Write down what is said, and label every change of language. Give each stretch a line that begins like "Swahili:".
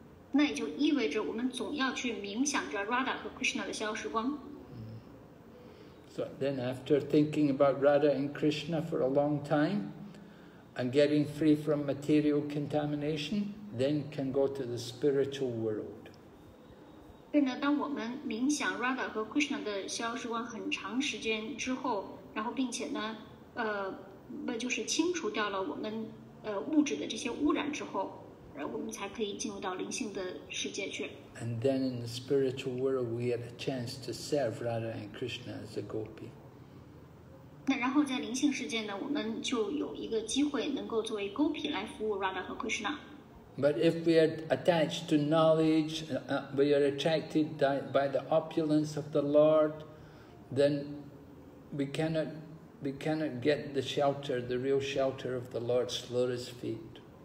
Chinese: 那也就意味着我们总要去冥想着 Radha 和 Krishna 的逍遥时光。
English: So then after thinking about Radha and Krishna for a long time, and getting free from material contamination, then can go to the spiritual world.
Chinese: 对呢，当我们冥想 Radha 和 Krishna 的逍遥时光很长时间之后，然后并且呢，就是清除掉了我们物质的这些污染之后，然后我们才可以进入到灵性的世界去。
English: And then in the spiritual world, we had a chance to serve Radha and Krishna as a gopi.
Chinese: 那然后在灵性世界呢，我们就有一个机会能够作为 gopi 来服务 Radha 和 Krishna。
English: But if we are attached to knowledge, we are attracted by the opulence of the Lord, then we cannot get the shelter, the real shelter of the Lord's lotus feet.